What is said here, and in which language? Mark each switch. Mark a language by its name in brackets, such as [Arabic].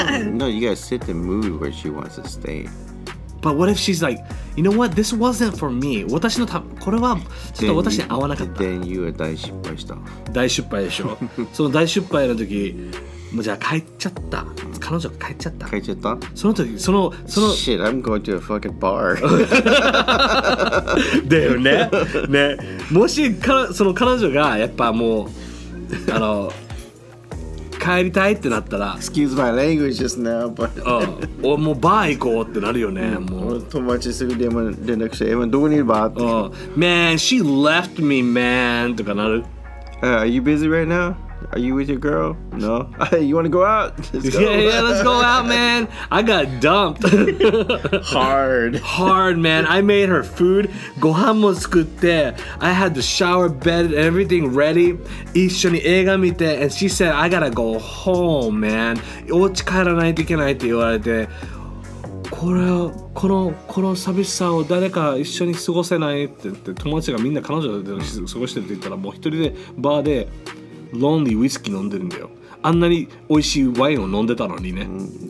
[English] No, you gotta set the mood where she wants to stay. But what if she's like, you know what? This wasn't for me. [Japanese] 私のため、これはちょっと私に合わなかった。 [English] Then you are [Japanese] 大失敗した。大失敗でしょ。その大失敗の時、もうじゃあ帰っちゃった。彼女が帰っちゃった。帰っちゃった？その時、その。 [English] Shit, I'm going to a fucking bar. [Japanese] だよね。ね。もし、その彼女がやっぱもう、あの、帰りたいってなったら。 [English] Excuse my language just now, but. [Japanese] 、うん、もうバー行こうってなるよね。もう友達すぐ連絡して、今どこにいるバーって。 [English] Man, she left me, man. [Japanese] とかなる。 [English] Are you busy right now? Are you with your girl? No? Hey, you wanna go out? Let's go. Yeah, yeah, let's go out, man. I got dumped. Hard. Hard, man. I made her food. [Japanese] Gohan も作って. [English] I had the shower, bed, everything ready. [Japanese] 一緒に映画見て. [English] And she said, I gotta go home, man. [Japanese] お家帰らないといけないって言われて.この寂しさを誰か一緒に過ごせないって言って、友達がみんな彼女と過ごしてるって言ったら、もう一人でバーで、ロンリーウイスキー飲んでるんだよ。あんなに美味しいワインを飲んでたのにね、うん、